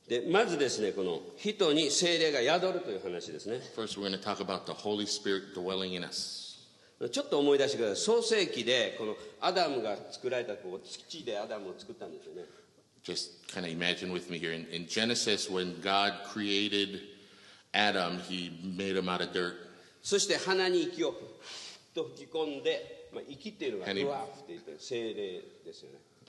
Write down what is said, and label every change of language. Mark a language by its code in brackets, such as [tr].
[ja] まずですね、この人に聖霊が宿るという話ですね。 [en] First, we're going to talk about the Holy Spirit dwelling in us. [ja] ちょっと思い出してください。創世記でこのアダムが作られたこう土でアダムを作ったんですよね。 [en] Just kind of imagine with me here. In Genesis, when God created Adam, He made him out of dirt. [ja] そして鼻に息をと吹き込んで、まあ、息っていうのがドワーフって言って聖霊ですよね。